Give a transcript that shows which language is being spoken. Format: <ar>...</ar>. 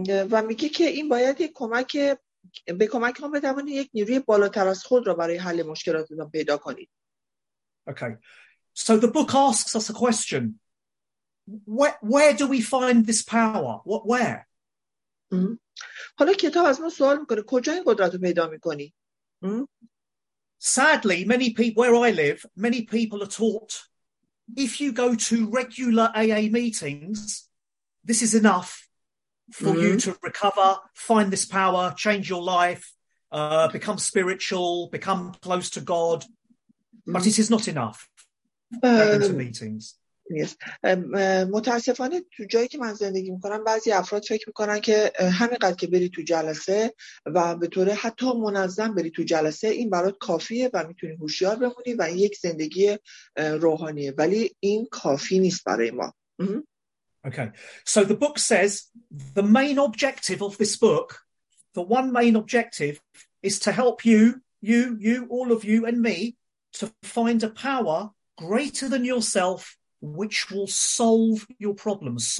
<fa>و میگه که این باید یک کمک به کمک هم بتوانید یک نیروی بالاتر از خود را برای حل مشکلاتتان پیدا کنید.</fa> <en>Okay. So the book asks us a question. Where do we find this power? Where?</en> <fa>حالا کتاب از ما سوال میکنه کجا این قدرت رو پیدا میکنی؟</fa> <en>Sadly, many people where I live, many people are taught if you go to regular AA meetings, this is enough. For you to recover, find this power, change your life, become spiritual, become close to God. But it is not enough. Into meetings. Yes.</en> <fa>متاسفانه تو جایی که من زندگی میکنم بعضی افراد فکر میکنن که همینقدر که بری تو جلسه و به طور حتی منظم بری تو جلسه این برات کافیه و میتونی هوشیار بمونی و این یک زندگی روحانیه ولی این کافی نیست برای ما.</fa> <en>Okay, so the book says the main objective of this book, the one main objective is to help you, all of you and me, to find a power greater than yourself which will solve your problem.</en>